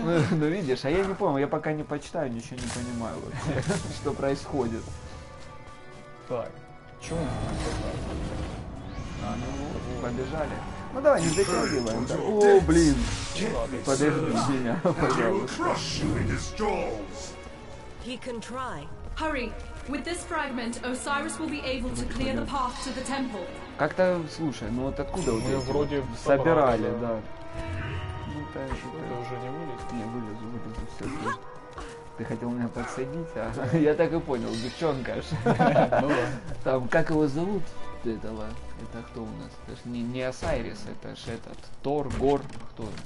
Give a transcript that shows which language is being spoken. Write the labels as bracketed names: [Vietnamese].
[Russian] Ну видишь, а я не понял, я пока не почитаю, ничего не понимаю, что происходит. Так, чем? Ну, побежали. Ну давай, не затягиваем. О, блин, подожди меня, пожалуйста. [English] With this fragment, Osiris will be able to clear the path to the temple. [Russian] Как-то, слушай, ну вот откуда мы вроде собирали, да? Ну да, это уже не вылезет. Не вылезу, вылезу все. Ты хотел меня подсадить, а? Я так и понял, девчонка ж. Там как его зовут этого? Это кто у нас? Это ж не Осирис, это ж этот Тор, Гор, кто?